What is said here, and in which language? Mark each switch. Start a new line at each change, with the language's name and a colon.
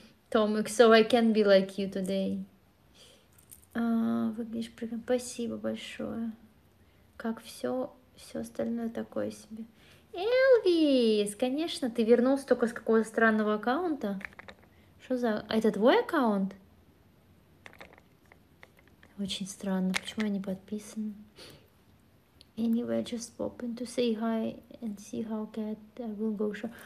English: Tomek, so I can be like you today.
Russian: Выглядишь прекрасно. Спасибо большое. Как все остальное такое себе. Элвис, конечно, ты вернулся только с какого-то странного аккаунта. Что за... А это твой аккаунт? Очень странно, почему я не подписана?
English: Anyway, just popping to say hi and see how cat will go show.